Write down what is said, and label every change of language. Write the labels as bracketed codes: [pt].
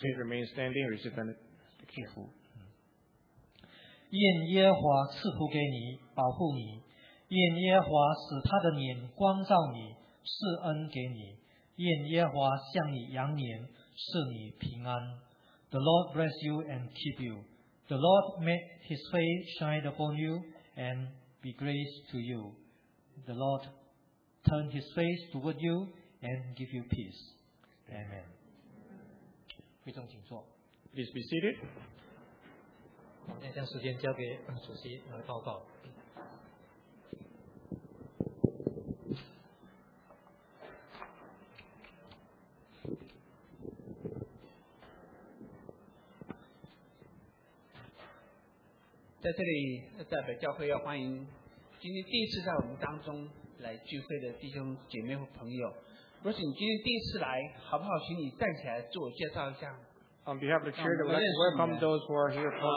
[en] Please remain standing, receive the 祝福。 [zh] 愿耶和华赐福给你，保护你，愿耶和华使他的脸光照你，赐恩给你，愿耶和华向你扬脸，赐你平安。 [en] The Lord bless you and keep you. The Lord make his face shine upon you and be gracious to you. The Lord turn his face toward you and give you peace. [zh] Amen. 会众请坐。 [en] Please be seated. [zh] 现在将时间交给主席来报告。在这里代表教会要欢迎今天第一次在我们当中来聚会的弟兄姐妹和朋友。如果你今天第一次来，好不好请你站起来自我介绍一下。 [en] On behalf of the church, I would like to welcome those who are here for